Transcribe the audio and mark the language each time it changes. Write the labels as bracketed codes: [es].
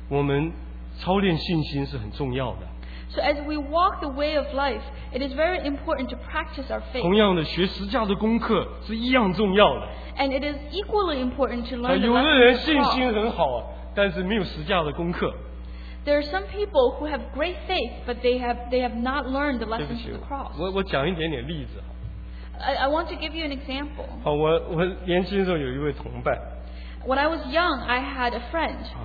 [zh] 所以当我们走生命的道路的时候，我们操练信心是很重要的。 [en] So as we walk the way of life, it is very important to practice our faith. [zh] 同样的，学十字架的功课是一样重要的。 [en] And it is equally important to learn. [zh] 有的人信心很好，但是没有十字架的功课。 [en] There are some people who have great faith, but they have not learned the lessons of the cross. [zh] 我讲一点点例子。 [en] I want to give you an example. [zh] 我年轻的时候有一位同伴。 [en] When I was young, I had a friend.